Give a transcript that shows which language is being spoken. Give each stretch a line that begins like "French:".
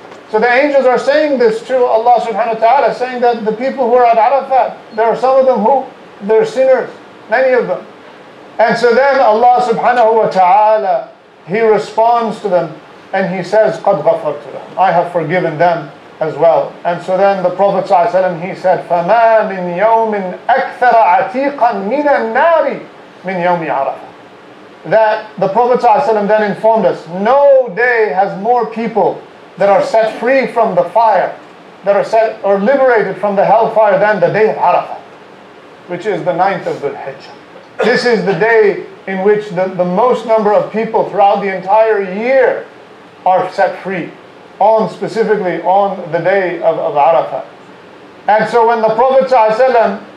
English: So the angels are saying this to Allah subhanahu wa ta'ala, saying that the people who are at Arafat, there are some of them who, they're sinners, many of them. And so then Allah subhanahu wa ta'ala, He responds to them, and He says,
Arabic: قَدْ غَفَرْتُ لَهُمْ,
English: I have forgiven them as well. And so then the Prophet ﷺ, he said,
Arabic: فَمَا مِنْ يَوْمٍ أَكْثَرَ عَتِيقًا مِنَ النَّارِ مِنْ يَوْمِ عَرَفَةٍ.
English: That the Prophet ﷺ then informed us, no day has more people that are set free from the fire, that are set or liberated from the hellfire than the day of Arafah, which is the 9th of Dhul-Hijjah. This is the day in which the most number of people throughout the entire year are set free, on specifically on the day of Arafat. And so when the Prophet ﷺ,